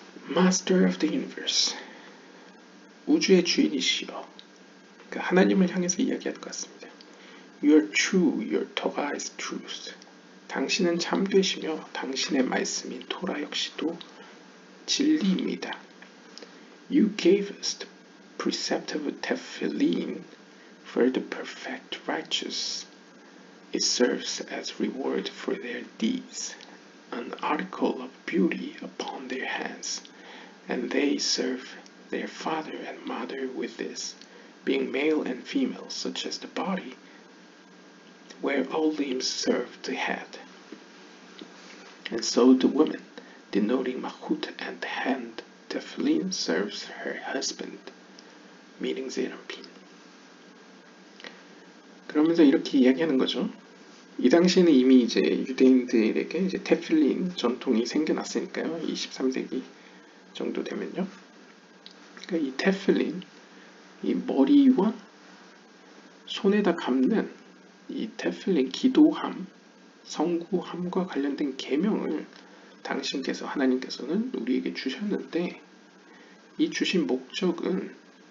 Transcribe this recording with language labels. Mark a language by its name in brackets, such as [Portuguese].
[English] Master of the Universe. [Korean] 우주의 주인이시여. 그러니까 하나님을 향해서 이야기할 것 같습니다. [English] Your true, your Torah is truth. [Korean] 당신은 참되시며 당신의 말씀인 토라 역시도 진리입니다. [English] You gave us the precept of Tefillin. For the perfect righteous, it serves as reward for their deeds, an article of beauty upon their hands, and they serve their father and mother with this, being male and female, such as the body, where all limbs serve the head. And so the woman, denoting Mahut and the hand, Tefillin serves her husband, meaning Zerampin. [Korean] 그러면서 이렇게 이야기하는 거죠. 이 당시에는 이미 이제 유대인들에게 이제 테필린 전통이 생겨났으니까요. 23세기 정도 되면요. 그러니까 이 테필린, 이 머리와 손에다 감는 이 테필린 기도함, 성구함과 관련된 계명을 당신께서 하나님께서는 우리에게 주셨는데 이 주신 목적은